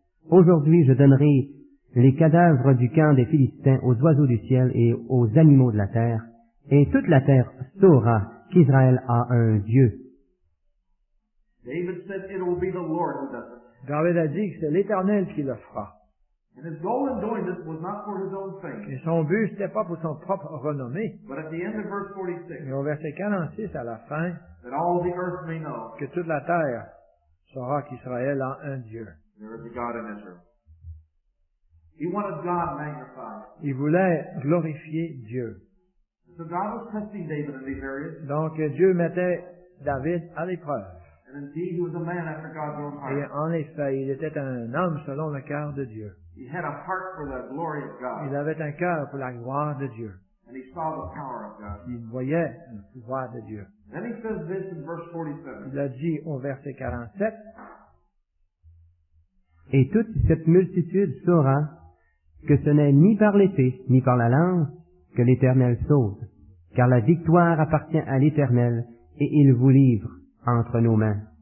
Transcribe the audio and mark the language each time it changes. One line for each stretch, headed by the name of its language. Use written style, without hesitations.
French: Aujourd'hui, je donnerai les cadavres du camp des Philistins aux oiseaux du ciel et aux animaux de la terre, et toute la terre saura qu'Israël a un Dieu.
English: David said it will be the Lord who does it.
French: David a dit que c'est l'Éternel qui le fera.
English: And his goal in doing this was not for his own fame.
French: Et son but, c'était pas pour son propre renommée.
English: But at the end of verse 46.
French: Mais au verset 46, à la fin.
English: That all the earth may know.
French: Que toute la terre saura qu'Israël a un Dieu.
English: There is a God in Israel. He wanted God magnified.
French: Il voulait glorifier Dieu.
English: So God was testing David in these areas.
French: Donc Dieu mettait David à l'épreuve.
English: And indeed, he was a man after God's own heart.
French: Et en effet, il était un homme selon le cœur de Dieu.
English: He had a heart for the glory of God.
French: Il avait un cœur pour la gloire de Dieu.
English: And he saw the power of God.
French: Il voyait le pouvoir de Dieu.
English: Then he says this in verse 47.
French: Il a dit au verset 47. Et toute cette multitude saura que ce n'est ni par l'épée ni par la lance que l'Éternel sauve, car la victoire appartient à l'Éternel et il vous livre entre nos mains.